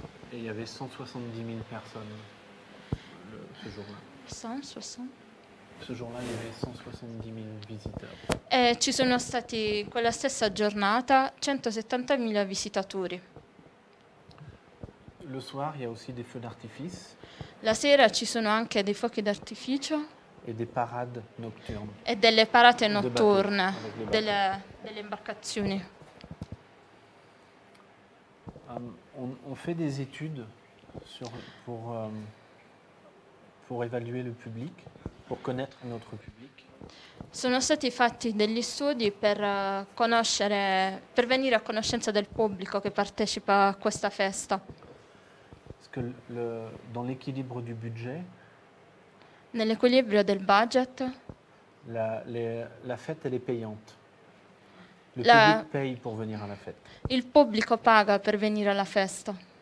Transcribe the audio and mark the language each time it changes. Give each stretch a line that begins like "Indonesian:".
Italian: E
French: il y avait
Italian: 170.000 persone ce giorno. 160?
French: Ce
Italian: giorno
French: il y avait 170.000
Italian: visitori. E ci sono stati quella stessa giornata 170.000 visitatori.
French: Le soir, il y a aussi des feux d'artifice.
Italian: La sera ci sono anche dei fuochi d'artificio
French: e des parades nocturnes.
Italian: E delle parate notturne delle imbarcazioni.
French: On fait des études sur pour évaluer le public, pour connaître notre public.
Italian: Sono stati fatti degli studi per venire a conoscenza del pubblico che partecipa a questa festa.
French: Que le, dans l'équilibre du budget,
Italian: nell'equilibrio del budget,
French: la fête elle est payante. Le public paye pour venir à la fête.
Italian: Il pubblico paga per venire alla festa.